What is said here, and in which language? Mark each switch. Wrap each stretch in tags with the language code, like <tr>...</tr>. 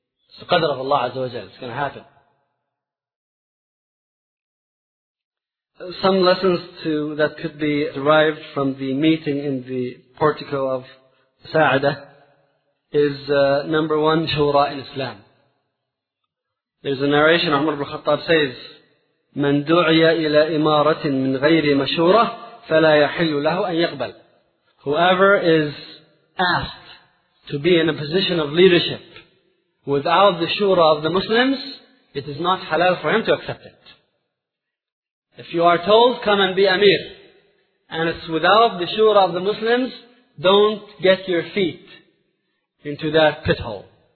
<en>It's the qadr of Allah Azza wa Jal. It's going to happen. Some lessons that could be derived from the meeting in the portico of Sa'ada is number one, shura in Islam. There's a narration, Umar ibn Khattab says,</en> <ar>مَنْ دُعْيَ إِلَىٰ إِمَارَةٍ مِنْ غَيْرِ مَشُورَةٍ فَلَا يَحِلُّ لَهُ أَنْ يَقْبَلْ.</ar> <en>Whoever is asked to be in a position of leadership without the shura of the Muslims, it is not halal for him to accept it. If you are told, come and be Amir, and it's without the shura of the Muslims, don't get your feet into that pit hole.</en>